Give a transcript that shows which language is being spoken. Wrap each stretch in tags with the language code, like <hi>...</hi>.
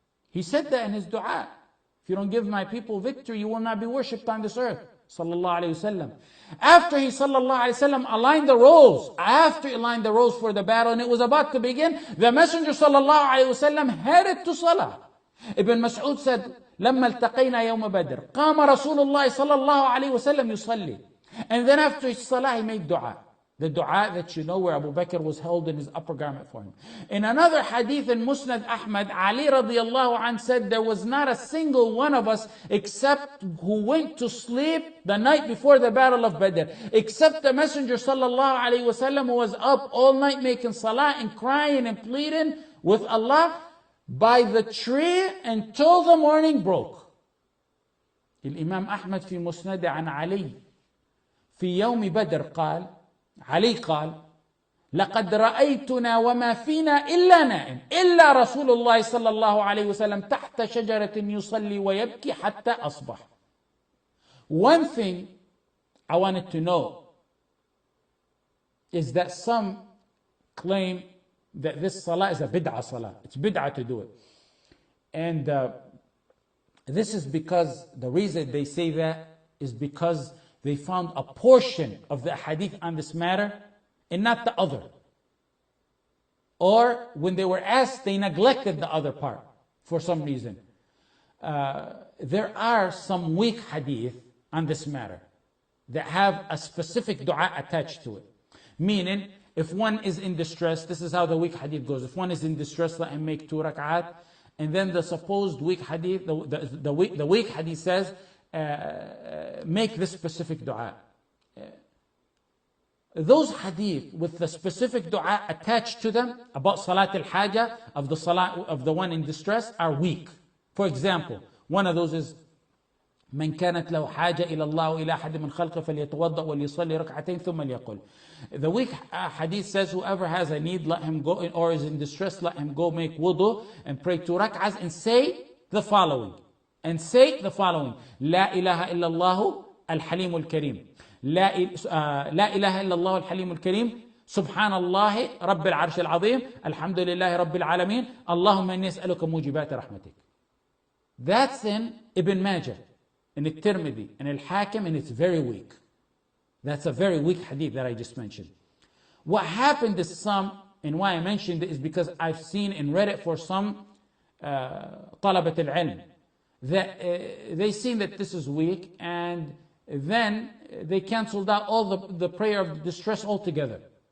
<en>He said that in his dua. If you don't give my people victory, you will not be worshipped on this earth. Sallallahu alayhi wa sallam. After he, sallallahu alayhi wa sallam, aligned the roles, after he aligned the roles for the battle and it was about to begin, the Messenger, sallallahu alayhi wa sallam, headed to salah. Ibn Mas'ud said,</en> <ar>لما التقينا يوم بدر قام رسول الله صلى الله عليه وسلم يصلي.</ar> <en>And then after his salah, he made dua. The dua that you know where Abu Bakr was held in his upper garment for him. In another hadith in Musnad Ahmad, Ali radiallahu anhu said, there was not a single one of us except who went to sleep the night before the battle of Badr. Except the Messenger sallallahu alayhi wa sallam, who was up all night making salah and crying and pleading with Allah by the tree until the morning broke.</en> <ar>الإمام أحمد في مسند عن علي في يوم بدر قال علي قال لقد رأيتنا وما فينا إلا نائم إلا رسول الله صلى الله عليه وسلم تحت شجرة يصلي ويبكي حتى أصبح.</ar> <en>One thing I wanted to know is that some claim that this salah is a bid'ah salah. It's bid'ah to do it. And this is because the reason they say that is because they found a portion of the hadith on this matter and not the other. Or when they were asked, they neglected the other part for some reason. There are some weak hadith on this matter that have a specific dua attached to it. Meaning, if one is in distress, this is how the weak hadith goes. If one is in distress, let him make 2 rak'at. And then the supposed weak hadith, the weak hadith says, make this specific dua. Those hadith with the specific dua attached to them about salat al-haja of the salat of the one in distress are weak. For example, one of those is</en> <ar>من كانت له حاجة إلى الله وإلى أحد من خلقه فليتوضأ وليصلي ركعتين ثم ليقل.</ar> <en>The weak hadith says, whoever has a need, let him go, or is in distress, let him go make wudu and pray 2 rak'ahs and say the following. And say the following.</en> <ar>لا إله إلا الله الحليم الكريم. لا إله إلا الله الحليم الكريم. سبحان الله رب العرش العظيم. الحمد لله رب العالمين. اللهم إني أسألك موجبات رحمتك.</ar> <en>That's in Ibn Majah. In the Tirmidhi, in the Hakim, and it's very weak. That's a very weak hadith that I just mentioned. What happened to some, and why I mentioned it, is because I've seen and read it for some talabat al-ilm, that they seen that this is weak, and then they canceled out all the prayer of distress altogether.</en>